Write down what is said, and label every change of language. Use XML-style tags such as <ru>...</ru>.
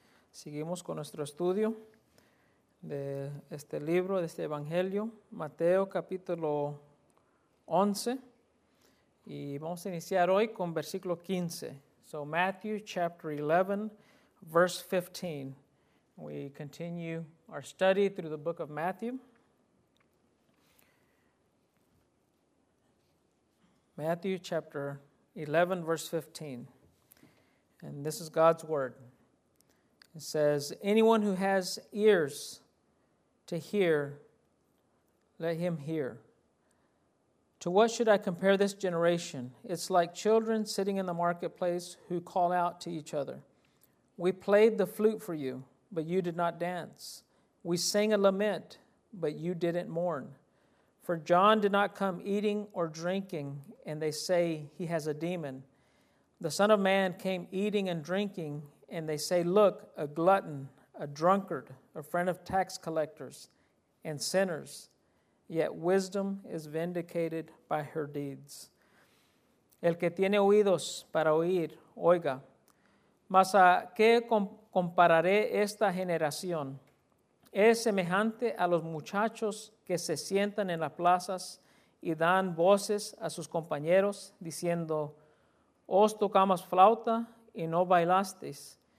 <es>Seguimos con nuestro estudio de este libro, de este evangelio, Mateo capítulo 11. Y vamos a iniciar hoy con versículo 15.</es> <en>So Matthew chapter 11, verse 15. We continue our study through the book of Matthew. Matthew chapter 11, verse 15. And this is God's word. It says, "Anyone who has ears to hear, let him hear. To what should I compare this generation? It's like children sitting in the marketplace who call out to each other. We played the flute for you, but you did not dance. We sang a lament, but you didn't mourn. For John did not come eating or drinking, and they say he has a demon. The Son of Man came eating and drinking, and they say, 'Look, a glutton, a drunkard, a friend of tax collectors and sinners.' Yet wisdom is vindicated by her deeds.</en> <es>El que tiene oídos para oír, oiga. Mas a qué compararé esta generación? Es semejante a los muchachos que se sientan en las plazas y dan voces a sus compañeros diciendo, 'Os tocamos flauta y no bailasteis.</es>